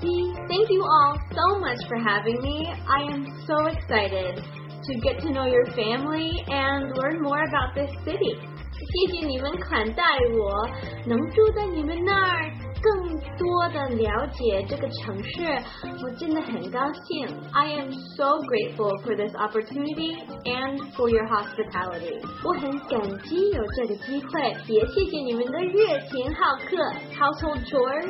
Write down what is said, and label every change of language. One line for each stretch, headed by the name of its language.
English: Thank you all so much for having me. I am so excited to get to know your family and learn more about this city.
Chinese: 谢谢你们款待我，能住在你们那儿，更多的了解这个城市，我真的很高兴。
English: I am so grateful for this opportunity and for your hospitality.
Chinese: 我很感激有这个机会，也谢谢你们的热情好客。